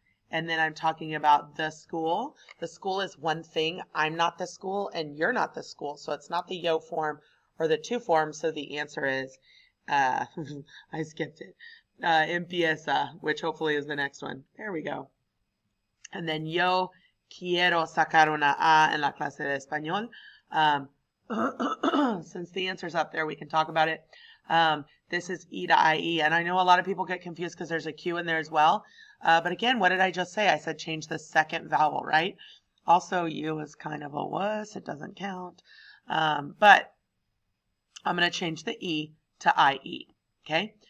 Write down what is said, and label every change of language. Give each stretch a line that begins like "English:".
English: And then I'm talking about the school. The school is one thing. I'm not the school and you're not the school. So it's not the yo form or the to form. So the answer is, I skipped it. Empieza, which hopefully is the next one. There we go.
Spanish: And then yo quiero sacar una A en la clase de español.
English: since the answer's up there, we can talk about it. This is E to IE. And I know a lot of people get confused because there's a Q in there as well. But again, what did I just say? I said change the second vowel, right? Also, U is kind of a wuss. It doesn't count. But I'm going to change the E to IE. Okay?